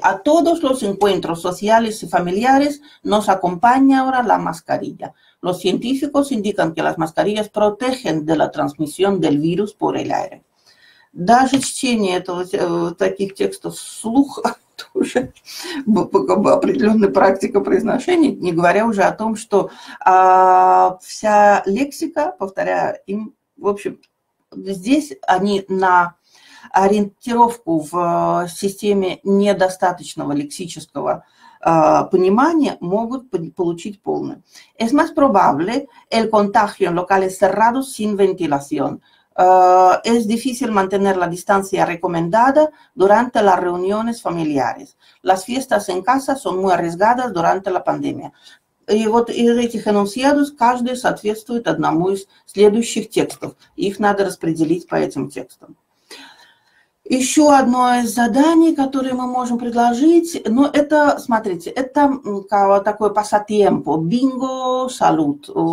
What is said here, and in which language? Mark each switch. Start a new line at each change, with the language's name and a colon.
Spanish: A todos los encuentros sociales y familiares nos acompaña ahora la mascarilla. Los científicos indican que las mascarillas protegen de la transmisión del virus por el aire.
Russian: Даже чтение этого, таких текстов вслух тоже определенная практика произношения, не говоря уже о том, что вся лексика, повторяю, им, в общем, здесь они на ориентировку в системе недостаточного лексического понимания могут получить полное.
Spanish: Es más probable el contagio en locales cerrados sin ventilación. Es difícil mantener la distancia recomendada durante las reuniones familiares. Las fiestas en casa son muy arriesgadas durante la pandemia.
Russian: И вот из этих enunciados каждый соответствует одному из следующих текстов. Их надо распределить по этим текстам. Еще одно из заданий, которое мы можем предложить, ну, это, смотрите, это такое пассатемпо, бинго, салют.